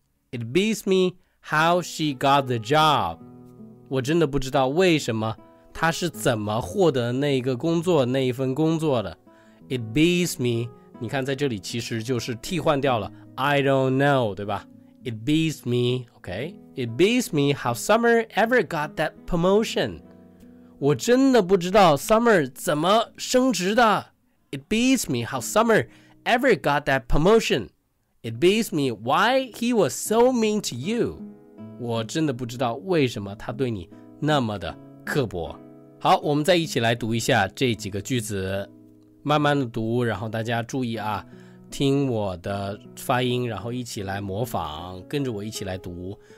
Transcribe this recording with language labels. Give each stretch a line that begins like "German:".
English: It beats me how she got the job.
Chinese: 我真的不知道为什么她是怎么获得那个工作那一份工作的。
English: It beats me.
Chinese: 你看在这里其实就是替换掉了
English: I don't know，
Chinese: 对吧？
English: It beats me, okay? It beats me how Summer ever got that promotion.
Chinese: 我真的不知道 Summer 怎么升职的。
English: It beats me how Summer ever got that promotion. It beats me why he was so mean to you.
Chinese: 我真的不知道为什么他对你那么的刻薄。好，我们再一起来读一下这几个句子，慢慢的读，然后大家注意啊。听我的发音，然后一起来模仿，跟着我一起来读。